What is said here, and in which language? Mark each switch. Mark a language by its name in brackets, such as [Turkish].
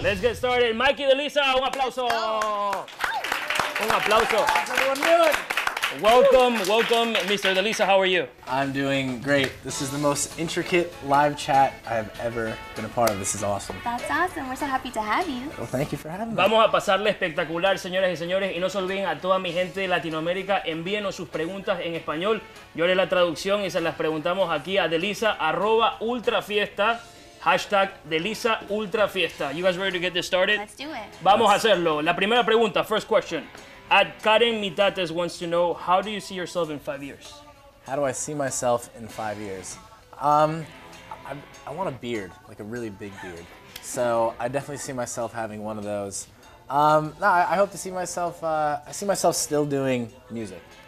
[English] Let's get started. [Spanish] Mikey Deleasa, un aplauso. Oh. Un aplauso. [English] Welcome, welcome, Mr. Deleasa. How are you? I'm doing great. This is the most intricate live chat I've ever been a part of. This is awesome. That's awesome. We're so happy to have you. Well, thank you for having me. [Spanish] Vamos a pasarle espectacular, señoras y señores. Y no se olviden a toda mi gente de Latinoamérica, envíenos sus preguntas en español. Yo haré la traducción y se las preguntamos aquí a Deleasa, @ultrafiesta, hashtag Deleasa Ultrafiesta. [English] You guys ready to get this started? Let's do it. [Spanish] Vamos a hacerlo. La primera pregunta, [English] first question. At Karen Mitates wants to know, how do you see yourself in 5 years? How do I see myself in 5 years? I want a beard, like a really big beard. So I definitely see myself having one of those. I hope to see myself, I see myself still doing music.